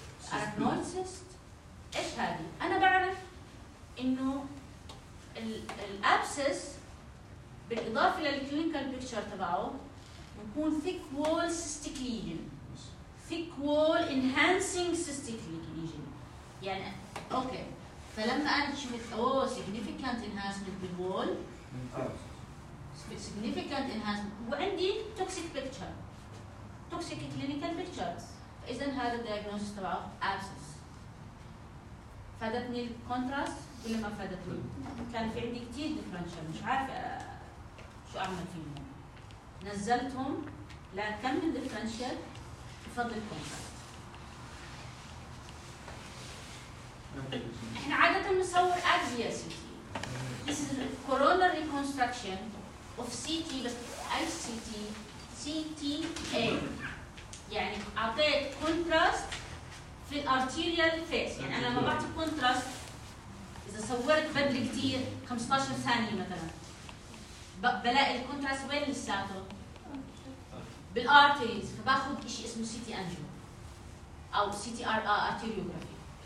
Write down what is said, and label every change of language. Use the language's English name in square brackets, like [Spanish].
[Arabic] arachnoid cyst؟ ايش هذه؟ انا بعرف انه الابسس بالاضافة للكلينيكال بيكتشر تبعه بكون [English] thick wall cystic lesion. Thick wall enhancing cystic lesion. [Arabic] يعني اوكي فلما انا شفت significant enhancement بالwall significant enhancement وعندي toxic picture toxic clinical pictures فاذا هذا diagnosis تبعه abscess. فادتني الكونتراست ولا ما فادتني؟ كان في عندي كتير differential مش عارف شو اعمل فيهم. نزلتهم لكم من differential فضلكم. احنا عادة نصور أجزية CT. [English] This is coronal reconstruction of CT بس ICT CTA. [Arabic] يعني أعطيت contrast في arterial phase. يعني أنا ما بعطي contrast إذا صورت بدري كتير 15 ثانية مثلا بلاقي contrast وين لساته؟ بالارتيز. فباخذ شيء اسمه سي تي انجيو او سي تي ار ارتيريوغرافي.